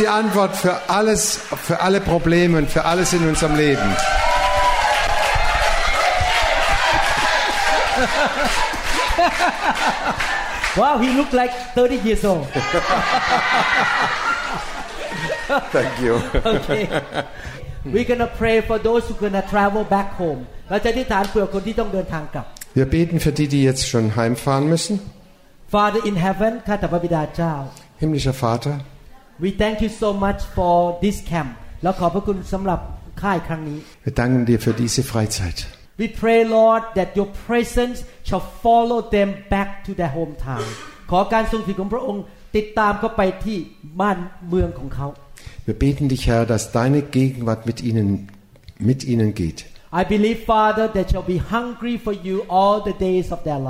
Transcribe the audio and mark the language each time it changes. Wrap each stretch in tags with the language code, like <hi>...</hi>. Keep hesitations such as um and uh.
<de>die Antwort für alles, für alle Probleme und für alles in unserem Leben.</de> <en>wow, he looks like 30 years old. Thank you. Okay. We're gonna pray for those who are gonna travel back home.</en> <th>เราจะอธิษฐานเผื่อคนที่ต้องเดินทางกลับ</th> <de>Wir beten für die, die jetzt schon heimfahren müssen.</de> <en>Father in heaven,</en> <th>ข้าแต่พระบิดาเจ้า</th> <de>Himmlischer Vater.</de> <en>We thank you so much for this camp.</en> <th>แล้วขอพระคุณสําหรับค่ายครั้งนี้</th> <de>Wir danken dir für diese Freizeit.</de> <en>We pray, Lord, that your presence shall follow them back to their hometown.</en> <th>ขอการทรงสถิตของพระองค์ติดตามเขาไปที่บ้านเมืองของเขา</th> <de>Wir beten dich, Herr, dass deine Gegenwart mit ihnen, mit ihnen geht.</de> <en>I believe, Father, that shall be hungry for you all the days of</en>